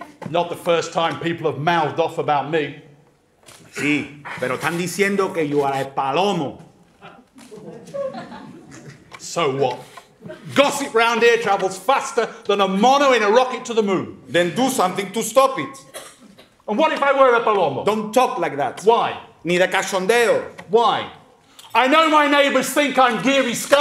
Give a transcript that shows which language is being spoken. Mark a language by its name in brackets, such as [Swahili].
[English] Not the first time people have mouthed off about me. [Spanish] Sí, pero están diciendo que yo era el palomo. [English] So what? Gossip round here travels faster than a mono in a rocket to the moon. Then do something to stop it. And what if I were a palomo? Don't talk like that. Why? [Spanish] Ni de cachondeo. [English] Why? I know my neighbors think I'm Geary Scott.